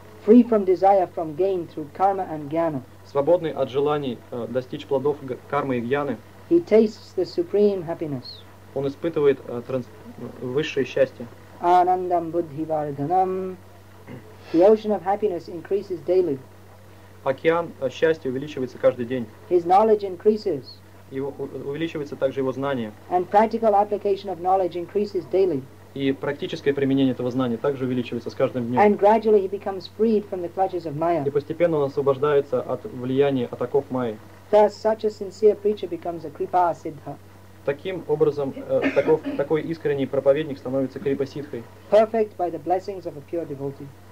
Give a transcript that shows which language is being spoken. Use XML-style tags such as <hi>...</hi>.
<en>Free from desire from gain through karma and jnana.</en> <ru>Свободный от желаний достичь плодов кармы и гьяны.</ru> <en>He tastes the supreme happiness.</en> <ru>Он испытывает высшее счастье.</ru> <sa>Анандам буддхи варданам.</sa> <en>The ocean of happiness increases daily.</en> <ru>Океан счастья увеличивается каждый день.</ru> <en>His knowledge increases.</en> <ru>Его увеличивается также его знание.</ru> <en>And practical application of knowledge increases daily.</en> <ru>И практическое применение этого знания также увеличивается с каждым днем.</ru> <en>And gradually he becomes freed from the clutches of Maya.</en> <ru>И постепенно он освобождается от влияния атаков Майи.</ru> <en>Thus, such a sincere preacher becomes a kripa siddha.</en> <ru>Таким образом, такой искренний проповедник становится крипа-сиддхой.</ru> <en>Perfect by the blessings of a pure devotee.</en>